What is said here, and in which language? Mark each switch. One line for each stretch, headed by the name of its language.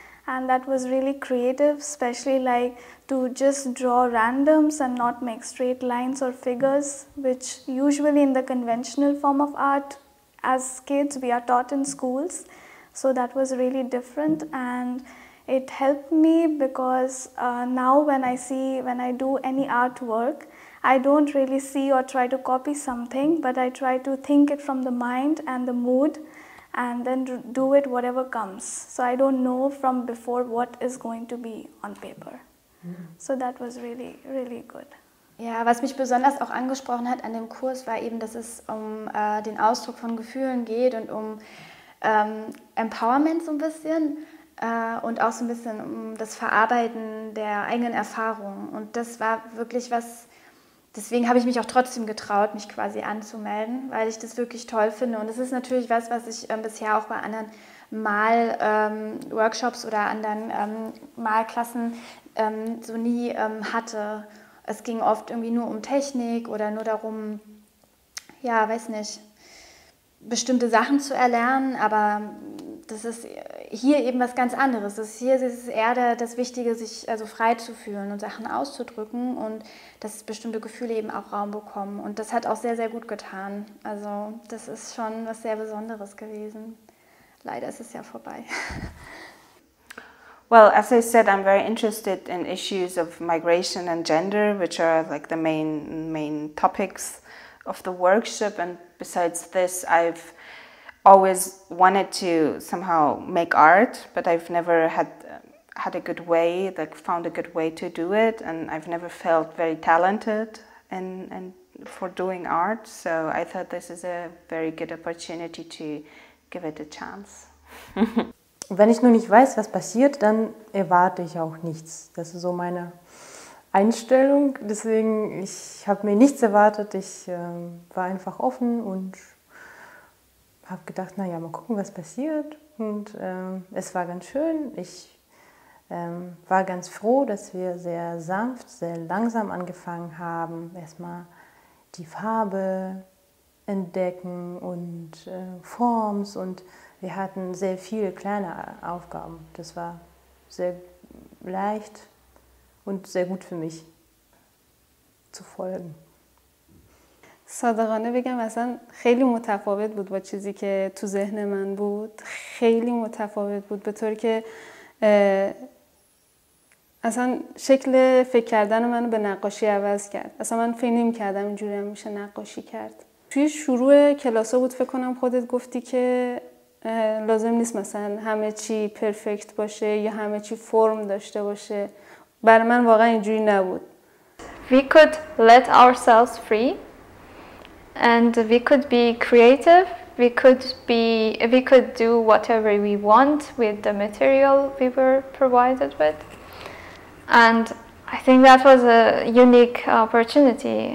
English: and that was really creative especially like to just draw randoms and not make straight lines or figures which usually in the conventional form of art as kids we are taught in schools so that was really different and it helped me because now when I do any artwork I don't really see or try to copy something but I try to think it from the mind and the mood and then do it whatever comes so I don't know from before what is going to be on paper so that was really really good.
German: Ja, was mich besonders auch angesprochen hat an dem Kurs, war eben, dass es um den Ausdruck von Gefühlen geht und um Empowerment so ein bisschen und auch so ein bisschen um das Verarbeiten der eigenen Erfahrungen. Und das war wirklich was, deswegen habe ich mich auch trotzdem getraut, mich quasi anzumelden, weil ich das wirklich toll finde. Und es ist natürlich was, was ich bisher auch bei anderen Mal-Workshops oder anderen Malklassen so nie hatte. Es ging oft irgendwie nur um Technik oder nur darum, ja, weiß nicht, bestimmte Sachen zu erlernen, aber das ist hier eben was ganz anderes. Das ist hier, das ist eher das Wichtige, sich also frei zu fühlen und Sachen auszudrücken und dass bestimmte Gefühle eben auch Raum bekommen. Und das hat auch sehr, sehr gut getan. Also das ist schon was sehr Besonderes gewesen. Leider ist es ja vorbei.
English: Well, as I said, I'm very interested in issues of migration and gender, which are like the main topics of the workshop. And besides this, I've always wanted to somehow make art, but I've never had a good way, like found a good way to do it, and I've never felt very talented in for doing art. So I thought this is a very good opportunity to give it a chance.
German: Wenn ich nur nicht weiß, was passiert, dann erwarte ich auch nichts. Das ist so meine Einstellung. Deswegen, ich habe mir nichts erwartet. Ich war einfach offen und habe gedacht, naja, mal gucken, was passiert. Und es war ganz schön. Ich war ganz froh, dass wir sehr sanft, sehr langsam angefangen haben. Erstmal die Farbe entdecken und Forms. Und wir hatten sehr viele kleine Aufgaben. Das war sehr leicht und sehr gut für mich zu folgen.
Persian: صادقانه بگم اصلا خیلی متفاوت بود با چیزی که تو ذهن من بود خیلی متفاوت بود به طوری که اصلا شکل فکر کردن منو به نقاشی عوض کرد اصلا من فکر نمی‌کردم اینجوری هم میشه نقاشی کرد توی شروع کلاسا بود فکر کنم خودت گفتی که لازم نیست مثلا همه چی پرفکت باشه یا همه چی فرم داشته باشه برای من واقعا اینجوری نبود
English: We could let ourselves free And we could be creative, we could do whatever we want with the material we were provided with. And I think that was a unique opportunity.